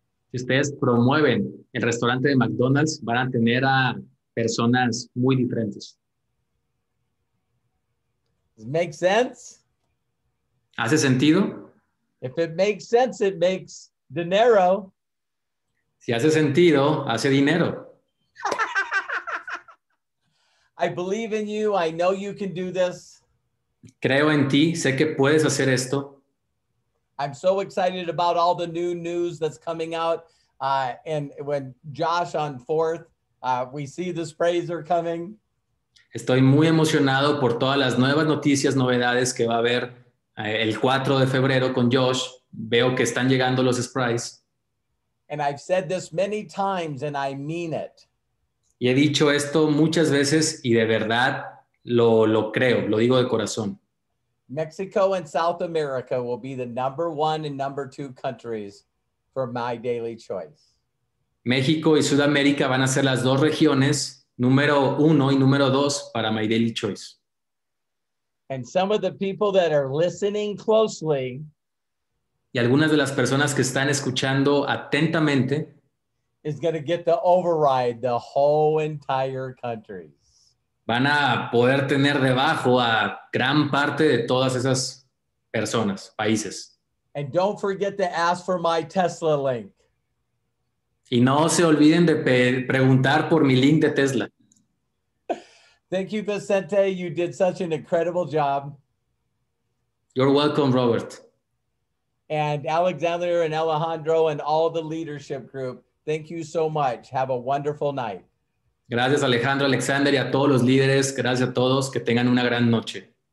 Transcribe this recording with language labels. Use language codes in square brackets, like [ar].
[es] Si ustedes promueven el restaurante de McDonald's, van a tener a personas muy diferentes. [en] Does it make sense? [es] ¿Hace sentido? [en] If it makes sense, it makes dinero. [es] Si hace sentido, hace dinero. [en] I believe in you. I know you can do this. [es] Creo en ti, sé que puedes hacer esto. [en] I'm so excited about all the new news that's coming out. And when Josh on 4th, we see the sprays are coming. [es] Estoy muy emocionado por todas las nuevas noticias, novedades que va a haber el 4 de febrero con Josh. Veo que están llegando los sprays. [en] And I've said this many times and I mean it. [es] Y he dicho esto muchas veces y de verdad lo creo, lo digo de corazón. [en] Mexico and South America will be the number one and number two countries for my daily choice. [es] México y Sudamérica van a ser las dos regiones, número uno y número dos para my daily choice. [en] And some of the people that are listening closely. [es] Y algunas de las personas que están escuchando atentamente. [en] Is going to get to override the whole entire country. [es] Van a poder tener debajo a gran parte de todas esas personas, países. [en] And don't forget to ask for my Tesla link. [es] Y no se olviden de preguntar por mi link de Tesla. [en] Thank you, Vicente. You did such an incredible job. You're welcome, Robert. And Alexander and Alejandro and all the leadership group, thank you so much. Have a wonderful night. [es] Gracias, Alejandro, Alexander y a todos los líderes. Gracias a todos. Que tengan una gran noche.